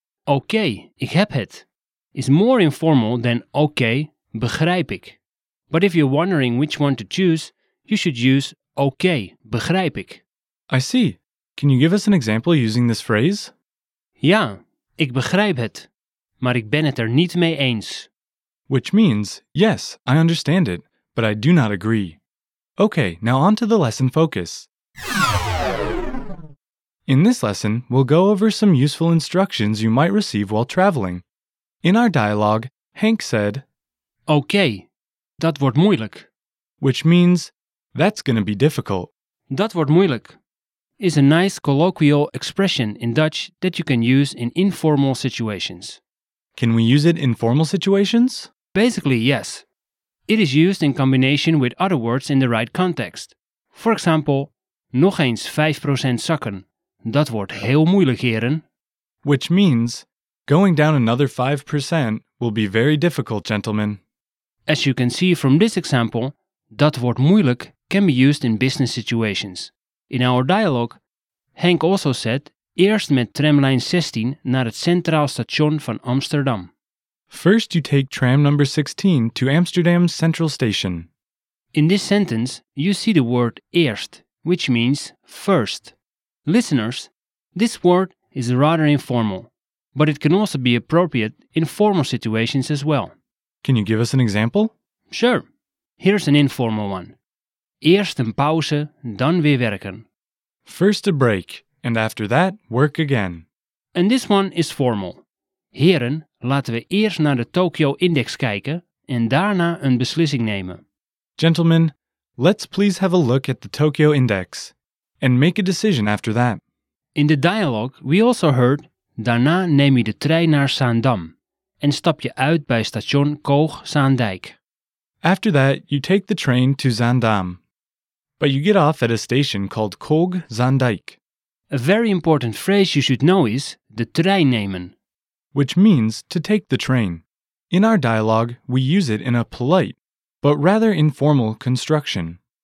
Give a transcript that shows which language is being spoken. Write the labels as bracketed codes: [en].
[nl] Okay, ik heb het [en] is more informal than [nl] okay, begrijp ik. [en] But if you're wondering which one to choose, you should use [nl] okay, begrijp ik. [en] I see. Can you give us an example using this phrase? [nl] Ja, ik begrijp het, maar ik ben het er niet mee eens. [en] Which means, yes, I understand it, but I do not agree. Okay, now on to the lesson focus. In this lesson, we'll go over some useful instructions you might receive while traveling. In our dialogue, Hank said, [nl] Okay, dat wordt moeilijk. [en] Which means, that's going to be difficult. [nl] Dat wordt moeilijk [en] is a nice colloquial expression in Dutch that you can use in informal situations. Can we use it in formal situations? Basically, yes. It is used in combination with other words in the right context. For example, [nl] nog eens 5% zakken. Dat wordt heel moeilijk, heren. [en] Which means, going down another 5% will be very difficult, gentlemen. As you can see from this example, [nl] dat wordt moeilijk [en] can be used in business situations. In our dialogue, Hank also said, [nl] eerst met tramlijn 16 naar het Centraal Station van Amsterdam. [en] First you take tram number 16 to Amsterdam's Central Station. In this sentence, you see the word eerst, which means first. Listeners, this word is rather informal, but it can also be appropriate in formal situations as well. Can you give us an example? Sure. Here's an informal one. [nl] Eerst een pauze, dan weer werken. [en] First a break, and after that, work again. And this one is formal. [nl] Heren, laten we eerst naar de Tokyo Index kijken en daarna een beslissing nemen. [en] Gentlemen, let's please have a look at the Tokyo Index and make a decision after that. In the dialogue, we also heard, [nl] daarna neem je de trein naar Zaandam en stap je uit bij station Koog-Zaandijk. [en] After that, you take the train to Zaandam, but you get off at a station called Koog-Zaandijk. A very important phrase you should know is, [nl] de trein nemen, [en] which means to take the train. In our dialogue, we use it in a polite, but rather informal construction.